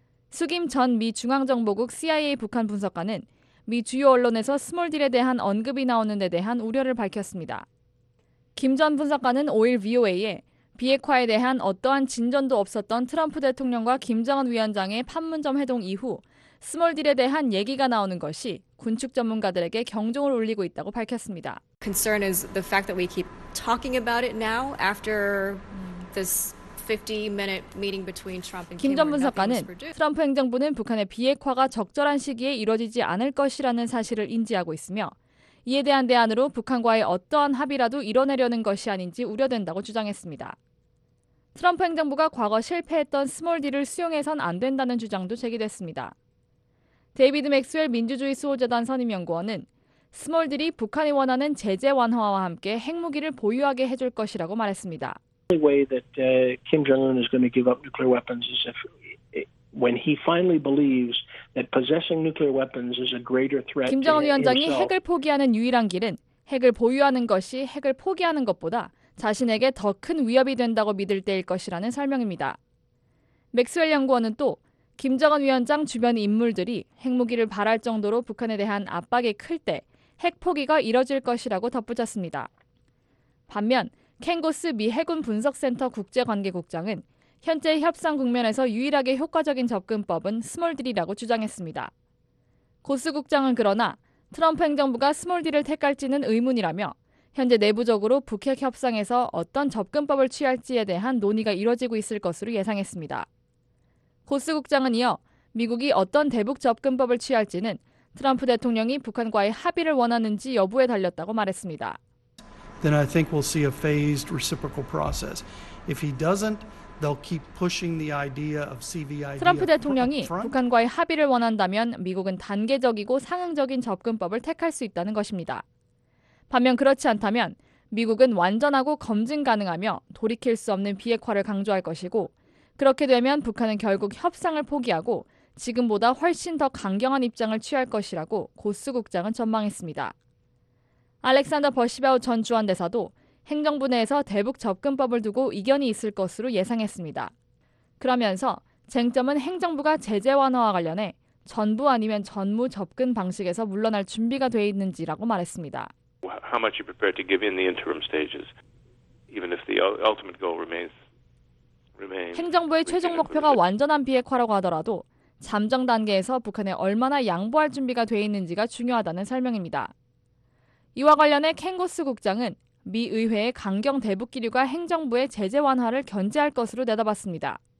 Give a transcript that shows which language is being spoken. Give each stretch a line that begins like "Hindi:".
Korean: 수김 전 미 중앙정보국 CIA 북한 분석가는 미 주요 언론에서 스몰딜에 대한 언급이 나오는 데 대한 우려를 밝혔습니다. 김 전 분석가는 5일 VOA에 비핵화에 대한 어떠한 진전도 없었던 트럼프 대통령과 김정은 위원장의 판문점 회동 이후 스몰딜에 대한 얘기가 나오는 것이 군축 전문가들에게 경종을 울리고 있다고 밝혔습니다.
English: Concern is the fact that we keep talking about it now after this 50-minute meeting between Trump and Kim.
Korean: 김 전 분석가는 트럼프 행정부는 북한의 비핵화가 적절한 시기에 이루어지지 않을 것이라는 사실을 인지하고 있으며 이에 대한 대안으로 북한과의 어떠한 합의라도 이뤄내려는 것이 아닌지 우려된다고 주장했습니다. 트럼프 행정부가 과거 실패했던 스몰딜을 수용해선 안 된다는 주장도 제기됐습니다. 데이비드 맥스웰 민주주의 수호재단 선임연구원은 스몰딜이 북한이 원하는 제재 완화와 함께 핵무기를 보유하게 해줄 것이라고 말했습니다.
English: The way that Kim Jong-un is going to give up nuclear weapons is if when he finally believes that possessing nuclear weapons is a greater threat.
Korean: 김정은 위원장이 핵을 포기하는 유일한 길은 핵을 보유하는 것이 핵을 포기하는 것보다 자신에게 더 큰 위협이 된다고 믿을 때일 것이라는 설명입니다. 맥스웰 연구원은 또 김정은 위원장 주변 인물들이 핵무기를 바랄 정도로 북한에 대한 압박이 클 때 핵 포기가 이뤄질 것이라고 덧붙였습니다. 반면 켄고스 미 해군 분석센터 국제관계국장은 현재 협상 국면에서 유일하게 효과적인 접근법은 스몰딜이라고 주장했습니다. 고스 국장은 그러나 트럼프 행정부가 스몰딜을 택할지는 의문이라며 현재 내부적으로 북핵 협상에서 어떤 접근법을 취할지에 대한 논의가 이뤄지고 있을 것으로 예상했습니다. 고스 국장은 이어 미국이 어떤 대북 접근법을 취할지는 트럼프 대통령이 북한과의 합의를 원하는지 여부에 달렸다고 말했습니다.
English: Then I think we'll see a phased reciprocal process. If he doesn't, they'll keep pushing the idea of CVID.
Korean: 트럼프 대통령이 북한과의 합의를 원한다면 미국은 단계적이고 상응적인 접근법을 택할 수 있다는 것입니다. 반면 그렇지 않다면 미국은 완전하고 검증 가능하며 돌이킬 수 없는 비핵화를 강조할 것이고 그렇게 되면 북한은 결국 협상을 포기하고 지금보다 훨씬 더 강경한 입장을 취할 것이라고 고스 국장은 전망했습니다. 알렉산더 버시바우 전 주한대사도 행정부 내에서 대북 접근법을 두고 이견이 있을 것으로 예상했습니다. 그러면서 쟁점은 행정부가 제재 완화와 관련해 전부 아니면 전무 접근 방식에서 물러날 준비가 돼 있는지라고 말했습니다.
English: How much are you prepared to give in the interim stages, even if the ultimate goal remains?
Korean: 행정부의 최종 목표가 완전한 비핵화라고 하더라도 잠정 단계에서 북한에 얼마나 양보할 준비가 돼 있는지가 중요하다는 설명입니다. 이와 관련해 켄고스 국장은 미 의회의 강경 대북 기류가 행정부의 제재 완화를 견제할 것으로 내다봤습니다.